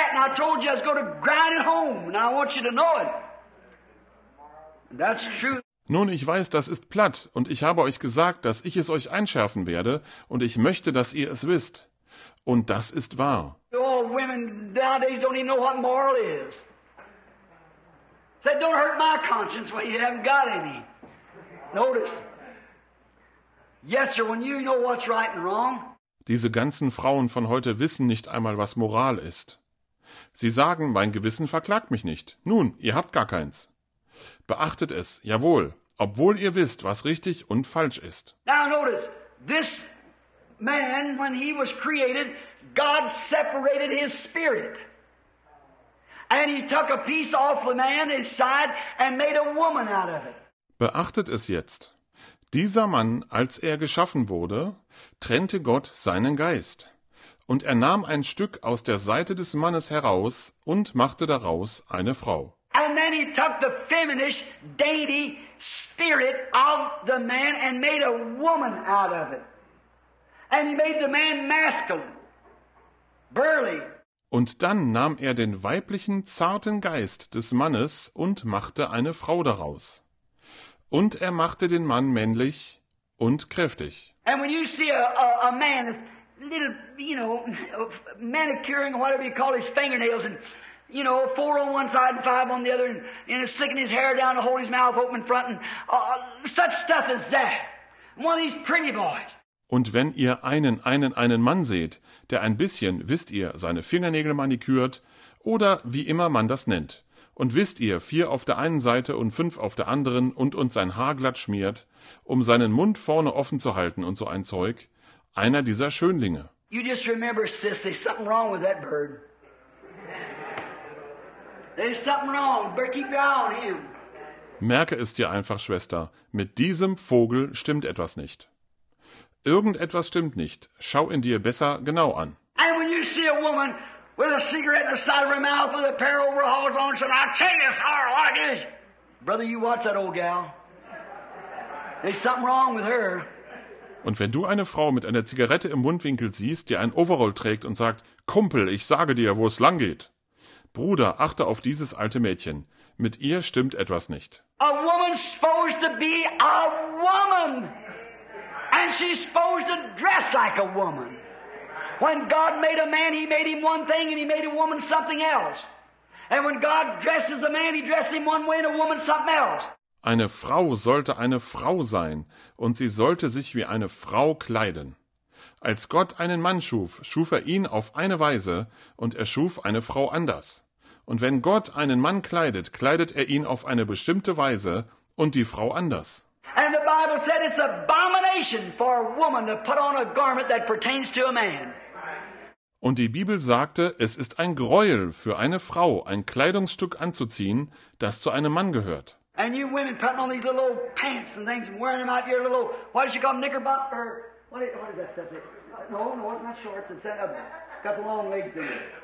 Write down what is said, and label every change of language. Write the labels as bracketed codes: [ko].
[en] I told you I was going to grind it home, and I want you to know it. That's true. [de] Nun, ich weiß, das ist platt, und ich habe euch gesagt, dass ich es euch einschärfen werde, und ich möchte, dass ihr es wisst. Und das ist wahr. [en] Oh, women nowadays don't even know what moral is. Say, don't hurt my conscience when you haven't got any. Notice. Yes, sir, when you know what's right and wrong. [de] Diese ganzen Frauen von heute wissen nicht einmal, was Moral ist. Sie sagen, mein Gewissen verklagt mich nicht. Nun, ihr habt gar keins. Beachtet es, jawohl, obwohl ihr wisst, was richtig und falsch ist. [en] Now notice, this man, when he was created, God separated his spirit. And he took a piece off the man inside and made a woman out of it. [de] Beachtet es jetzt. Dieser Mann, als er geschaffen wurde, trennte Gott seinen Geist. Und er nahm ein Stück aus der Seite des Mannes heraus und machte daraus eine Frau. [en] And then he took the feminine, dainty spirit of the man and made a woman out of it. And he made the man masculine, burly. [de] Und dann nahm er den weiblichen, zarten Geist des Mannes und machte eine Frau daraus. Und er machte den Mann männlich und kräftig. [en] And when you see a man, little, you know, manicuring, whatever you call his fingernails, and, you know, four on one side and five on the other, and he's slicking his hair down to hold his mouth open in front, and such stuff as that. One of these pretty boys. [de] Und wenn ihr einen Mann seht, der ein bisschen, wisst ihr, seine Fingernägel manikürt, oder wie immer man das nennt, und wisst ihr, vier auf der einen Seite und fünf auf der anderen und uns sein Haar glatt schmiert, um seinen Mund vorne offen zu halten und so ein Zeug, einer dieser Schönlinge. [en] You just remember, sis, there's something wrong with that bird. There's something wrong. Better keep your eye on him. [de] Merke es dir einfach, Schwester. Mit diesem Vogel stimmt etwas nicht. Irgendetwas stimmt nicht. Schau ihn dir besser genau an. [en] And when you see a woman with a cigarette in the side of her mouth with a pair of overalls on, she said, I tell you, it's hard like this. Brother, you watch that old gal. There's something wrong with her. [de] Und wenn du eine Frau mit einer Zigarette im Mundwinkel siehst, die ein Overall trägt und sagt, Kumpel, ich sage dir, wo es lang geht. Bruder, achte auf dieses alte Mädchen. Mit ihr stimmt etwas nicht. [en] A woman's supposed to be a woman. And she's supposed to dress like a woman. When God made a man, he made him one thing, and he made a woman something else. And when God dresses a man, he dresses him one way and a woman something else. [de] Eine Frau sollte eine Frau sein, und sie sollte sich wie eine Frau kleiden. Als Gott einen Mann schuf, schuf er ihn auf eine Weise, und er schuf eine Frau anders. Und wenn Gott einen Mann kleidet, kleidet er ihn auf eine bestimmte Weise und die Frau anders. [en] And the Bible said it's abomination for a woman to put on a garment that pertains to a man. [de] Und die Bibel sagte, es ist ein Greuel für eine Frau, ein Kleidungsstück anzuziehen, das zu einem Mann gehört. [en] And you women putting on these little old pants and things and wearing them out here, little, why does she call them knickerbockers? What is that stuff? No, it's not shorts. It's got the long legs in it.